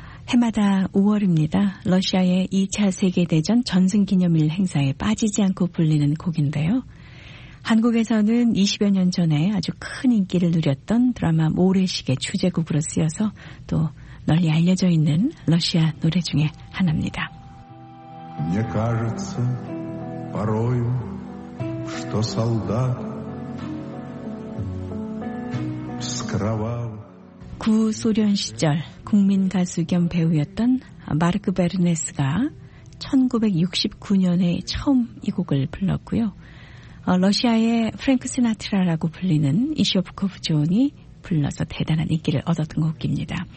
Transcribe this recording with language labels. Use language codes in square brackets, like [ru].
[ko] 해마다 5월입니다. 러시아의 2차 세계대전 전승기념일 행사에 빠지지 않고 불리는 곡인데요. 한국에서는 20여 년 전에 아주 큰 인기를 누렸던 드라마 모래시계 주제곡으로 쓰여서 또 널리 알려져 있는 러시아 노래 중에 하나입니다. [ru] Мне кажется, порою, что солдат с кровавым [ko] 구소련 시절 국민 가수 겸 배우였던 마르크 베르네스가 1969년에 처음 이 곡을 불렀고요. 러시아의 프랭크 시나트라라고 불리는 이쇼프코프 존이 불러서 대단한 인기를 얻었던 곡입니다.